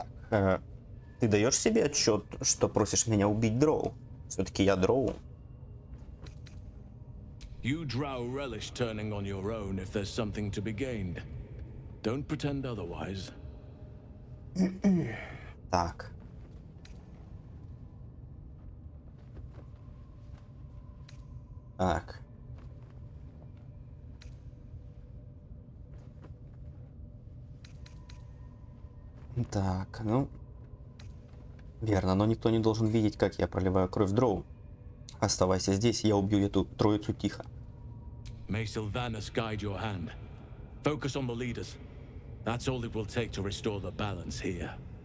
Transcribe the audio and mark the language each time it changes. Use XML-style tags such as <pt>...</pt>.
<ru>Ты даешь себе отчет, что просишь меня убить дроу? Все-таки я дроу.</ru> <en>You drow relish turning on your own if there's something to be gained. Don't pretend otherwise.</en> <ru>Так. Так. Так, ну... Верно, но никто не должен видеть, как я проливаю кровь дроу. Оставайся здесь, я убью эту троицу тихо.</ru> <en>May Sylvanas guide your hand. Focus on the leaders. That's all it will take to restore the balance here.</en>